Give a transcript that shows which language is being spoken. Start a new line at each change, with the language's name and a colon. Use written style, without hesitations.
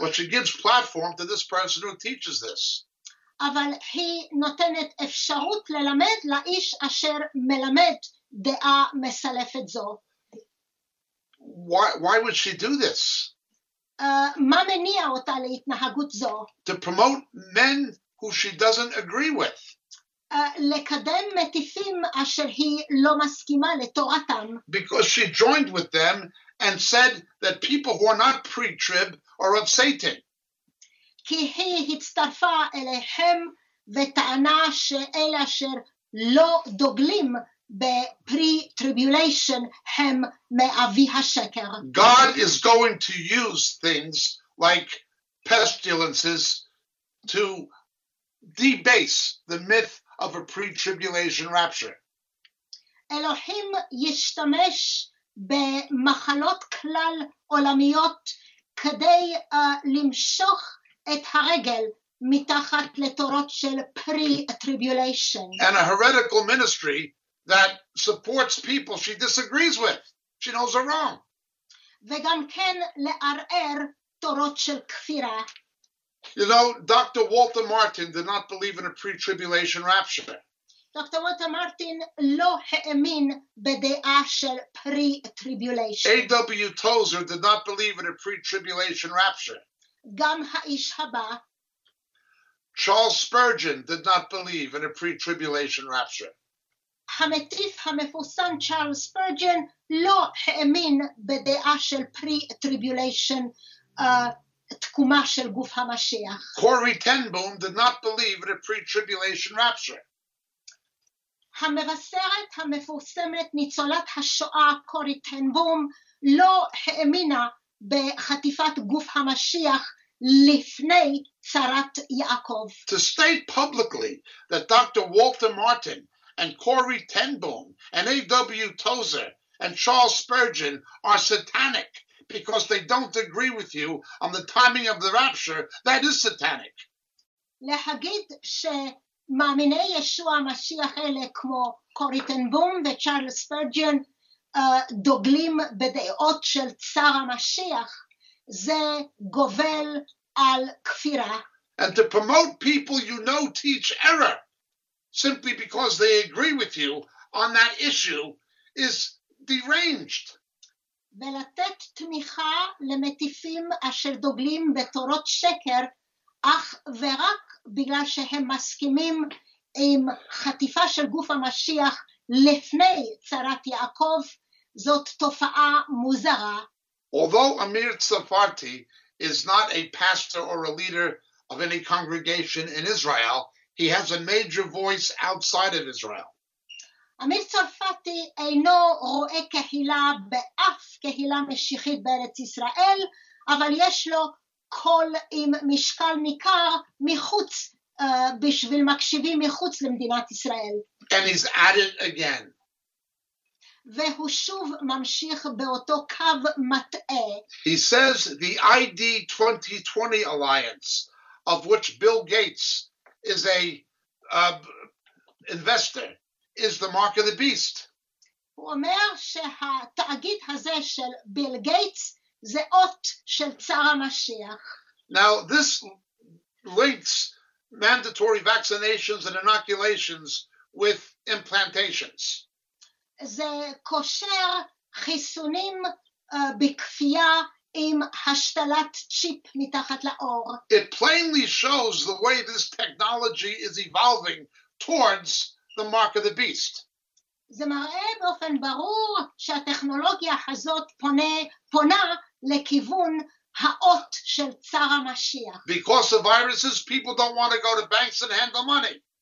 English: But she gives platform to this person who teaches this.
Hebrew: אבל היא נותנת אפשרות ללמד לאיש אשר מלמד דעה מסלפת זו.
English: Why would she do this?
Hebrew: מה מניע אותה להתנהגות זו?
English: To promote men who she doesn't agree with.
Hebrew: לקדם מטיפים אשר היא לא מסכימה לתורתם.
English: Because she joined with them and said that people who are not pre-trib are of Satan.
Hebrew: כי היא הצטרפה אליהם וטענה שאלה אשר לא דוגלים בפרי-טריביוליישן הם מאבי השקר.
English: God is going to use things like pestilences to debase the myth of a pre-tribulation rapture.
Hebrew: אלוהים ישתמש במחלות כלל עולמיות כדי למשוך את הרגל מתחת לתורות של pre-tribulation.
English: And a heretical ministry that supports people she disagrees with. She knows they're wrong.
Hebrew: וגם כן לערער תורות של כפירה.
English: You know, Dr. Walter Martin did not believe in a pre-tribulation rapture.
Hebrew: Dr. Walter Martin לא האמין בדעה של pre-tribulation.
English: A.W. Tozer did not believe in a pre-tribulation rapture.
Hebrew: גם האיש הבא.
English: Charles Spurgeon did not believe in a pre-tribulation rapture.
Hebrew: המטריף המפורסם Charles Spurgeon לא האמין בדעה של pre-tribulation תקומה של גוף המשיח.
English: Corrie Ten Boom did not believe in a pre-tribulation rapture.
Hebrew: המבשרת המפורסמת ניצולת השואה קורי טן בום לא האמינה בחטיפת גוף המשיח לפני צרת יעקב.
English: To state publicly that Dr. Walter Martin and Corrie Ten Boom and A.W. Tozer and Charles Spurgeon are satanic because they don't agree with you on the timing of the rapture, that is satanic.
Hebrew: להגיד שמאמיני ישוע המשיח אלה כמו קוריטנבום וצ'רלס פרג'ן דוגלים בדעות של צר המשיח, זה גובל על כפירה.
English: And to promote people you know teach error simply because they agree with you on that issue is deranged.
Hebrew: ולתת תמיכה למטיפים אשר דוגלים בתורות שקר אך ורק בגלל שהם מסכימים עם חטיפה של גוף המשיח לפני צרת יעקב, זאת תופעה מוזרה.
English: Although Amir Tsarfati is not a pastor or a leader of any congregation in Israel, he has a major voice outside of Israel.
Hebrew: Amir Tsarfati אינו רואה קהילה באף קהילה משיחית בארץ ישראל, אבל יש לו קול עם משקל ניכר מחוץ, בשביל מקשיבים מחוץ למדינת ישראל.
English: And he's at it again.
Hebrew: והוא שוב ממשיך באותו קו מטעה.
English: He says the ID 2020 Alliance, of which Bill Gates is a investor, is the mark of the beast.
Hebrew: הוא אומר שהתאגיד הזה של ביל גייטס זה אות של צר המשיח.
English: Now this links mandatory vaccinations and inoculations with implantations.
Hebrew: זה קושר חיסונים בכפייה עם השתלת צ'יפ מתחת לאור.
English: It plainly shows the way this technology is evolving towards the mark of the beast.
Hebrew: זה מראה באופן ברור שהטכנולוגיה הזאת פונה לכיוון האות של צר המשיח.
English: Because of viruses, people don't want to go to banks and handle money.